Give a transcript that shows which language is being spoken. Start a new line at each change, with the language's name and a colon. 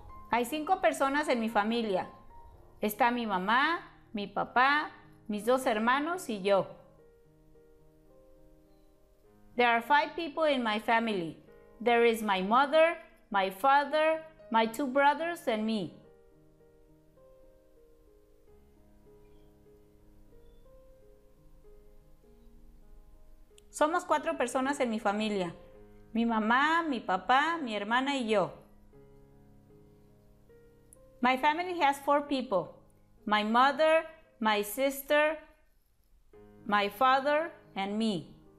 Spanish: Hay cinco personas en mi familia. Está mi mamá, mi papá, mis dos hermanos y yo.
English: There are five people in my family. There is my mother, my father, my two brothers and me.
Spanish: Somos cuatro personas en mi familia. Mi mamá, mi papá, mi hermana y yo.
English: My family has four people, my mother, my sister, my father, and me.